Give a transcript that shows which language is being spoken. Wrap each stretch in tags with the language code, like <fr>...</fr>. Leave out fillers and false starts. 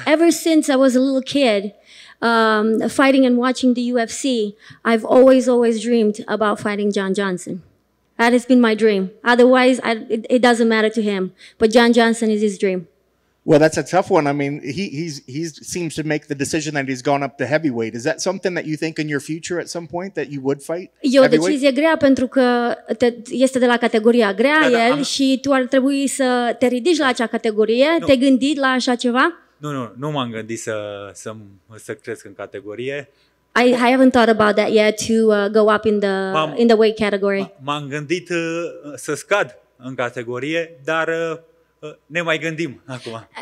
<en>Ever since I was a little kid, fighting and watching the UFC, I've always dreamed about fighting Jon Johnson. That has been my dream. Otherwise, it doesn't matter to him. But Jon Johnson is his dream. Well, that's a tough one. I mean, he seems to make the decision that he's gone up to heavyweight. Is that something that you think in your future at some point that you would fight?</en> <ro>E o decizie grea pentru că este de la categoria grea el și tu ar trebui să te ridici la acea categorie.</ro> <en>No.</en> <ro>Te-ai gândit la așa ceva? Nu m-am gândit să cresc în categorie.</ro> <en>I haven't thought about that yet to go up in the weight category.</en> <ro>M-am gândit să scad în categorie, dar ne mai gândim acum.</ro>